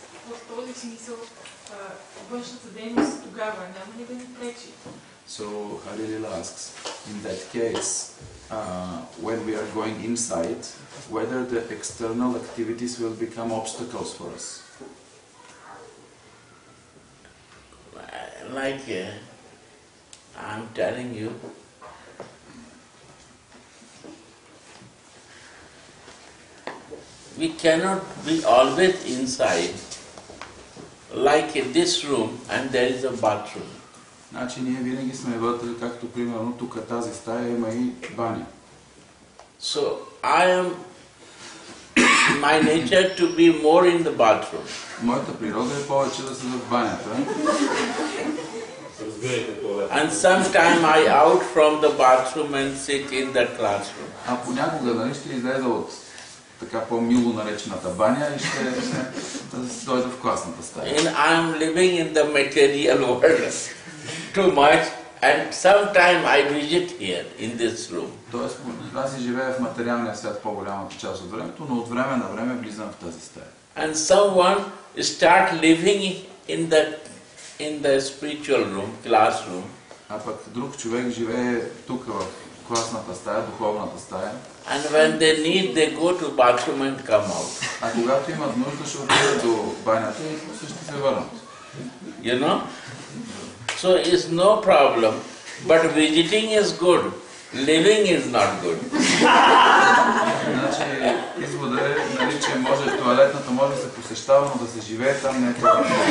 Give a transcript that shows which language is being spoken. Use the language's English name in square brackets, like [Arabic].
[Bulgarian] В този смисъл, външната дейност тогава няма ли да ни пречи? [English] So Harilila asks, in that case, when we are going inside, whether the external activities will become obstacles for us? Like I'm telling you, we cannot be always inside, like in this room, and there is a bathroom. [Bulgarian] Значи ние винаги сме вътре, както примерно тук тази стая има и баня. [English] So I am my nature to be more in the bathroom. [Bulgarian] Моята природа е повече да съм в банята. [English] And sometimes I out from the bathroom and sit in the classroom. [Bulgarian] А понякога нали ще излезе от така по-мило наречената баня и ще дойда в класната стая. [English] And I am living in the material world. Too much, and sometime I visit here in this room. [Bulgarian] Тоест, аз живея в материалния свят по-голямата част от времето, но от време на време влизам в тази стая. [English] And someone start living in the spiritual room, classroom. [Bulgarian] А пък друг човек живее тук в класната стая, духовната стая. [English] And when they need, they go to bathroom and come out. [Bulgarian] А когато имат нужда, ще отидат до банята и също се върнат. [English] You know? So it's no problem, but visiting is good, living is not good. [Bulgarian] Значи извода е, нали, че може туалетната може да се посещава, но да се живее там не е това.